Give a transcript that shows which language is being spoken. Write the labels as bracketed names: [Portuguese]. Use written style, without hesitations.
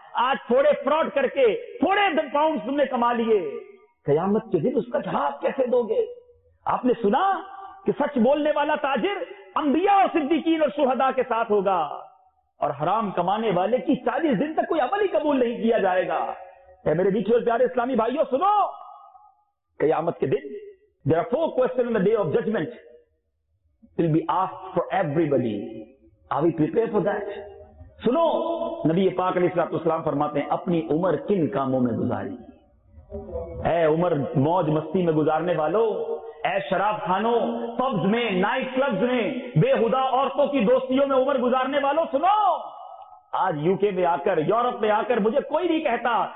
[Urdu] آج تھوڑے فراڈ کر کے تھوڑے پاؤنڈ تم نے کما لیے, قیامت کے دن اس کا جواب کیسے دو گے؟ آپ نے سنا کہ سچ بولنے والا تاجر انبیاء اور صدیقین اور شہداء کے ساتھ ہوگا, اور حرام کمانے والے کی 40 دن تک کوئی عمل ہی قبول نہیں کیا جائے گا. اے میرے بیچے اور پیارے اسلامی بھائیوں سنو, قیامت کے دن [English] there are 4 questions in the day of judgment will be asked for everybody. Are we prepared for that? [Urdu] سنو, نبی پاک علیہ الصلوۃ والسلام فرماتے ہیں اپنی عمر کن کاموں میں گزاری؟ اے عمر موج مستی میں گزارنے والوں, اے شراب خانوں, پبز میں, نائٹ کلبز میں, بے ہدا عورتوں کی دوستیوں میں عمر گزارنے والوں سنو, آج یو کے میں آ کر, یورپ میں آ کر مجھے کوئی نہیں کہتا.